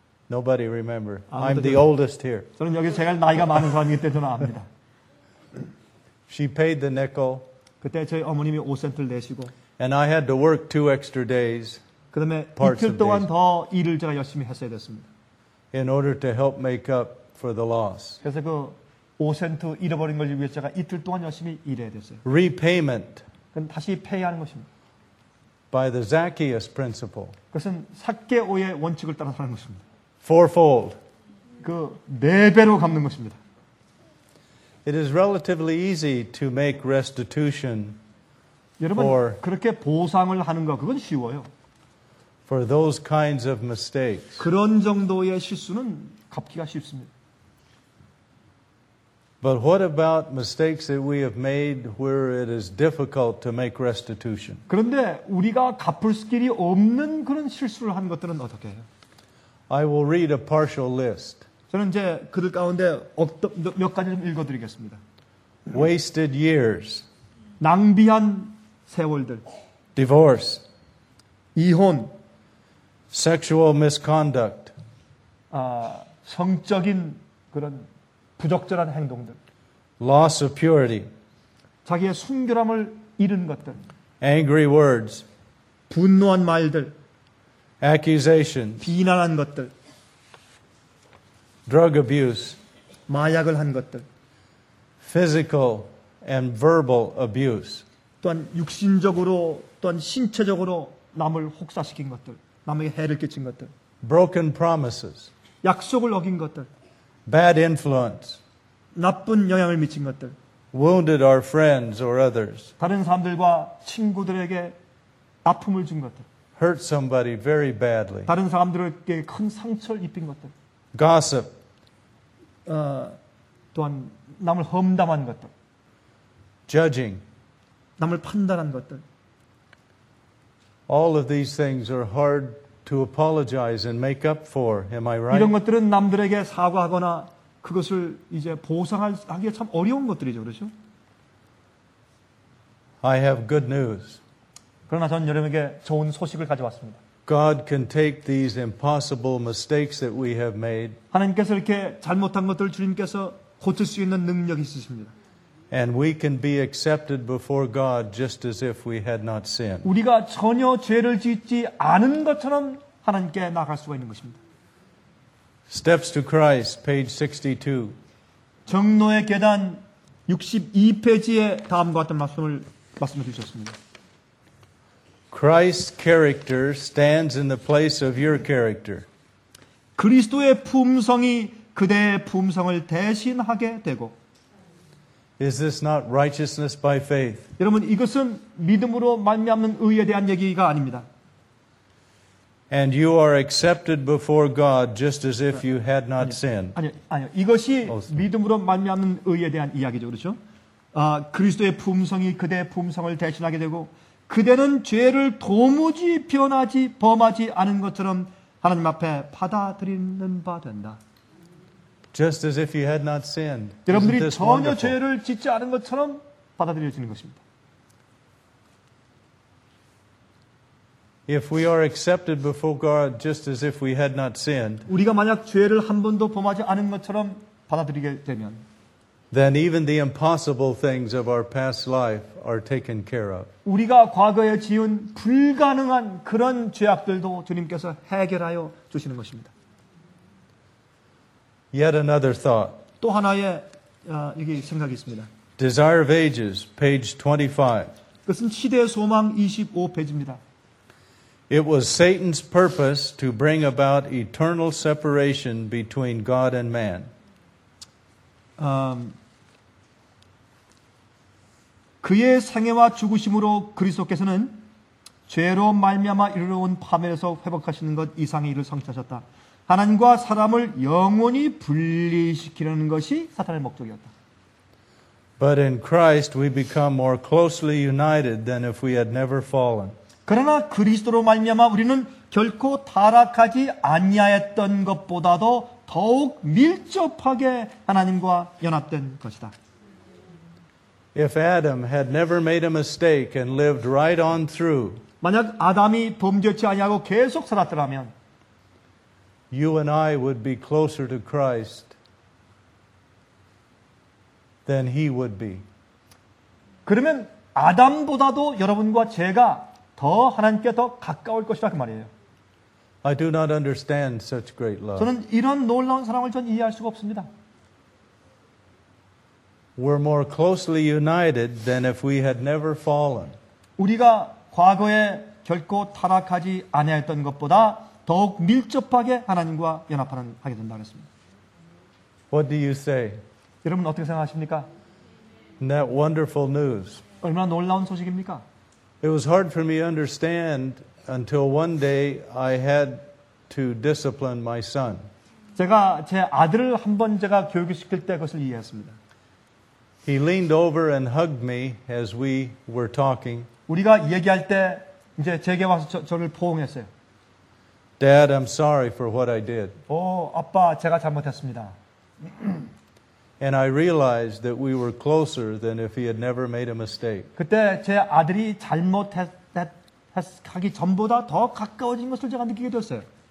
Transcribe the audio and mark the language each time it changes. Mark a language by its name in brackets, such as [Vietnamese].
[English] Nobody remember. I'm the oldest here. [Korean] 저는 여기 제가 나이가 많은 사람이기 때문에 압니다. [English] She paid the nickel. [Korean] 그때 저희 어머님이 5센트를 내시고. [English] And I had to work two extra days. [Korean] 그다음에 이틀 동안 더 일을 제가 열심히 했어야 됐습니다. [English] In order to help make up for the loss. [Korean] 그래서 그 5센트 잃어버린 걸 위해서 제가 이틀 동안 열심히 일해야 됐어요. [English] Repayment. [Korean] 그건 다시 폐해하는 것입니다. [English] By the Zacchaeus principle. [Korean] 그것은 삭개오의 원칙을 따라서 하는 것입니다. [English] Fourfold. [Korean] 그 네 배로 갚는 것입니다. [English] It is relatively easy to make restitution. [Korean] 여러분 [English] for [Korean] 그렇게 보상을 하는 거 그건 쉬워요. [English] For those kinds of mistakes. [Korean] 그런 정도의 실수는 갚기가 쉽습니다. [English] But what about mistakes that we have made where it is difficult to make restitution? [Korean] 그런데 우리가 갚을 길이 없는 그런 실수를 한 것들은 어떻게 해요? [English] I will read a partial list. [Korean] 저는 이제 그들 가운데 몇 가지 좀 읽어드리겠습니다. [English] Wasted years. [Korean] 낭비한 세월들. [English] Divorce. [Korean] 이혼. [English] Sexual misconduct. [Korean] 성적인 그런 부적절한 행동들. [English] Loss of purity. [Korean] 자기의 순결함을 잃은 것들. [English] Angry words. [Korean] 분노한 말들. [English] Accusations. [Korean] 비난한 것들. [English] Drug abuse. [Korean] 마약을 한 것들. [English] Physical and verbal abuse. [Korean] 또한 육신적으로 또한 신체적으로 남을 혹사시킨 것들. 남에게 해를 끼친 것들. [English] Broken promises. [Korean] 약속을 어긴 것들. [English] Bad influence. [Korean] 나쁜 영향을 미친 것들. [English] Wounded our friends or others. [Korean] 다른 사람들과 친구들에게 아픔을 준 것들. [English] Hurt somebody very badly. [Korean] 다른 사람들에게 큰 상처를 입힌 것들. [English] Gossip. [Korean] 또한 남을 험담한 것들. [English] Judging. [Korean] 남을 판단한 것들. [English] All of these things are hard to apologize and make up for. Am I right? [Korean] 이런 것들은 남들에게 사과하거나 그것을 이제 보상하기가 참 어려운 것들이죠, 그렇죠? [English] I have good news. [Korean] 그러나 저는 여러분에게 좋은 소식을 가져왔습니다. [English] God can take these impossible mistakes that we have made. [Korean] 하나님께서 이렇게 잘못한 것들을 주님께서 고칠 수 있는 능력이 있으십니다. [English] And we can be accepted before God just as if we had not sinned. [Korean] 우리가 전혀 죄를 짓지 않은 것처럼 하나님께 나갈 수가 있는 것입니다. [English] Steps to Christ, page 62. [Korean] 정로의 계단 62페이지에 다음과 같은 말씀을 주셨습니다. [English] Christ's character stands in the place of your character. [Korean] 그리스도의 품성이 그대의 품성을 대신하게 되고. [English] Is this not righteousness by faith? [Korean] 여러분 이것은 믿음으로 말미암는 의에 대한 얘기가 아닙니다. [English] And you are accepted before God just as if you had not sinned. [Korean] 아니요. 이것이 믿음으로 말미암는 의에 대한 이야기죠. 그렇죠? 그리스도의 품성이 그대의 품성을 대신하게 되고 그대는 죄를 도무지 변하지 범하지 않은 것처럼 하나님 앞에 받아들이는 바 된다. [English] Just as if you had not sinned. [Korean] 여러분들이 전혀 [English] wonderful? [Korean] 죄를 짓지 않은 것처럼 받아들여지는 것입니다. [English] If we are accepted before God just as if we had not sinned. [Korean] 우리가 만약 죄를 한 번도 범하지 않은 것처럼 받아들이게 되면 [English] Then even the impossible things of our past life are taken care of. [Korean] 우리가 과거에 지은 불가능한 그런 죄악들도 주님께서 해결하여 주시는 것입니다. [English] Yet another thought. [Korean] 또 하나의 여기 생각이 있습니다. [English] Desire of Ages, page 25. [Korean] 그것은 시대의 소망 25페이지입니다. [English] It was Satan's purpose to bring about eternal separation between God and man. [Korean] 그의 생애와 죽으심으로 그리스도께서는 죄로 말미암아 이르러온 파멸에서 회복하시는 것 이상의 일을 성취하셨다. 하나님과 사람을 영원히 분리시키려는 것이 사탄의 목적이었다. [English] But in Christ we become more closely united than if we had never fallen. [Korean] 그러나 그리스도로 말미암아 우리는 결코 타락하지 아니하였던 것보다도 더욱 밀접하게 하나님과 연합된 것이다. [English] If Adam had never made a mistake and lived right on through, [Korean] 만약 아담이 범죄치 아니하고 계속 살았더라면, [English] you and I would be closer to Christ than he would be. [Korean] 그러면 아담보다도 여러분과 제가 더 하나님께 더 가까울 것이라 그 말이에요. [English] I do not understand such great love. [Korean] 저는 이런 놀라운 사랑을 전 이해할 수가 없습니다. [English] We're more closely united than if we had never fallen. [Korean] 우리가 과거에 결코 타락하지 아니하였던 것보다 더욱 밀접하게 하나님과 연합하는 하게 된다 그랬습니다. [English] What do you say? [Korean] 여러분 어떻게 생각하십니까? [English] That wonderful news. [Korean] 얼마나 놀라운 소식입니까? [English] It was hard for me to understand until one day I had to discipline my son. [Korean] 제가 제 아들을 한번 제가 교육시킬 때 그것을 이해했습니다. [English] He leaned over and hugged me as we were talking. [Korean] 우리가 얘기할 때 이제 제게 와서 저를 포옹했어요. [English] Dad, I'm sorry for what I did. [Korean] 오, 아빠, 제가 잘못했습니다. [English] And I realized that we were closer than if he had never made a mistake. [Korean] 그때 제 아들이 잘못하기 전보다 더 가까워진 것을 제가 느끼게 되었어요.